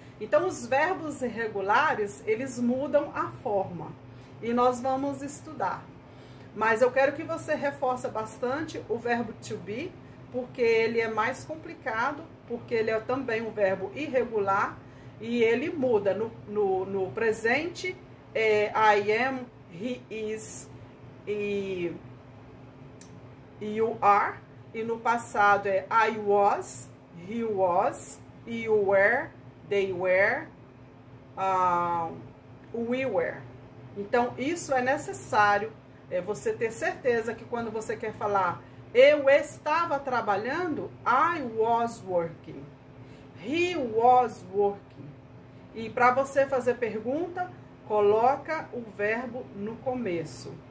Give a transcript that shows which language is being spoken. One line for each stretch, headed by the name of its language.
Portuguese: Então, os verbos irregulares, eles mudam a forma e nós vamos estudar. Mas eu quero que você reforce bastante o verbo to be, porque ele é mais complicado, porque ele é também um verbo irregular e ele muda. No presente,
English: I am, he is e you are.
Portuguese: E no passado é
English: I was, he was, you were, they were, we were.
Portuguese: Então, isso é necessário, você ter certeza que quando você quer falar eu estava trabalhando,
English: I was working, he was working.
Portuguese: E para você fazer pergunta, coloca o verbo no começo.